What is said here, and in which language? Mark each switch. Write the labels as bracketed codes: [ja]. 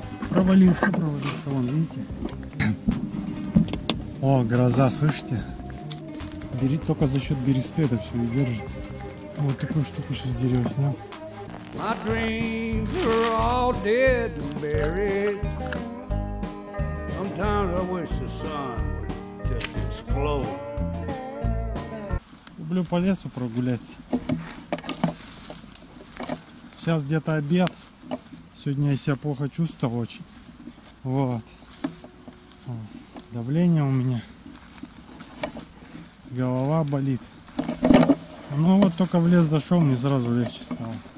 [ru] Провалился, вон, видите? О, гроза, слышите? Берет только за счет бересты это все и держится. Вот такую штуку сейчас дерево снял. [en] My dreams are all dead and buried. Sometimes I wish the sun would just explode. [ru] Люблю по лесу прогуляться. Сейчас где-то обед. Сегодня я себя плохо чувствовал очень. Вот. Давление у меня. Голова болит. Ну вот только в лес зашел, мне сразу легче стало.